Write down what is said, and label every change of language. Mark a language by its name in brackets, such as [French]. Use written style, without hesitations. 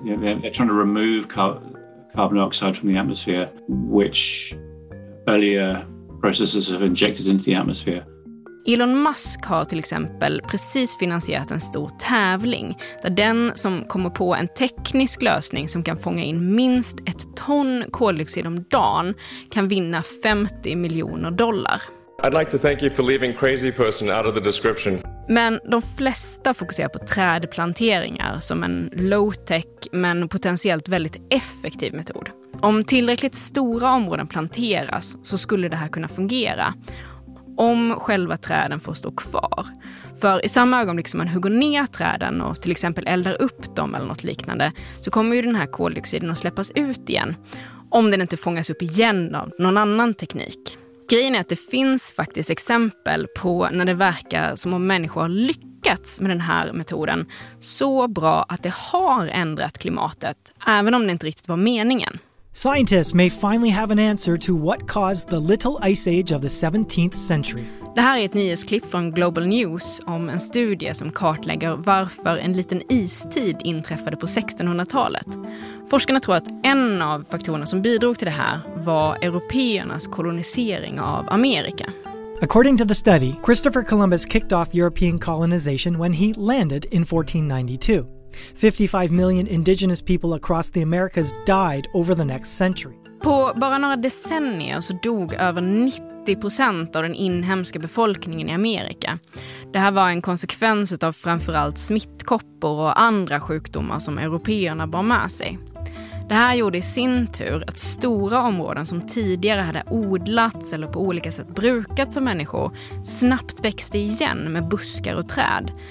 [English] They're trying to remove carbon dioxide from the atmosphere, which earlier processes have injected into the atmosphere. [Swedish] Elon Musk har till exempel precis finansierat en stor tävling där den som kommer på en teknisk lösning som kan fånga in minst ett ton koldioxid om dagen kan vinna $50 miljoner. [English] I'd like to thank you for leaving crazy person out of the description. [Swedish] Men de flesta fokuserar på trädplanteringar som en low-tech men potentiellt väldigt effektiv metod. Om tillräckligt stora områden planteras så skulle det här kunna fungera. Om själva träden får stå kvar. För i samma ögonblick som man hugger ner träden och till exempel eldar upp dem eller något liknande så kommer ju den här koldioxiden att släppas ut igen. Om den inte fångas upp igen av någon annan teknik. Grejen är att det finns faktiskt exempel på när det verkar som om människor har lyckats med den här metoden så bra att det har ändrat klimatet, även om det inte riktigt var meningen. [English] Scientists may finally have an answer to what caused the little ice age of the 17th century. [Swedish] Det här är ett nyhetsklipp från Global News om en studie som kartlägger varför en liten istid inträffade på 1600-talet. Forskarna tror att en av faktorerna som bidrog till det här var europeernas kolonisering av Amerika. [English] According to the study, Christopher Columbus kicked off European colonization when he landed in 1492. 55 million indigenous people across the Americas died over the next century. [Swedish] På bara några decennier så dog över 90% av den inhemska befolkningen i Amerika. Det här var en konsekvens av framförallt smittkoppor och andra sjukdomar som européerna bar med sig. Det här gjorde i sin tur att stora områden som tidigare hade odlats eller på olika sätt brukats av människor snabbt växte igen med buskar och träd.